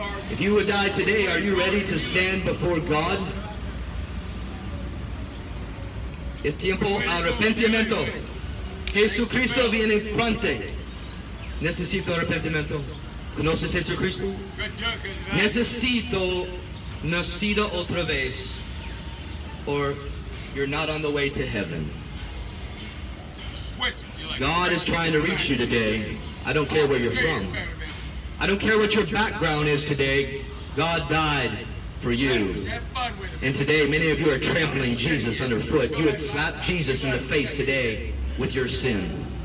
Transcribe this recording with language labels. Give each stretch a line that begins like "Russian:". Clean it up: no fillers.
English: If you would die today, are you ready to stand before God?
Spanish: Es tiempo arrepentimiento. Jesucristo viene pronto. Necesito arrepentimiento. ¿Conoces a Jesucristo? Necesito nacido otra vez.
English: Or you're not on the way to heaven. God is trying to reach you today. I don't care where you're from. I don't care what your background is today. God died for you. And today, many of you are trampling Jesus underfoot. You would slap Jesus in the face today with your sin.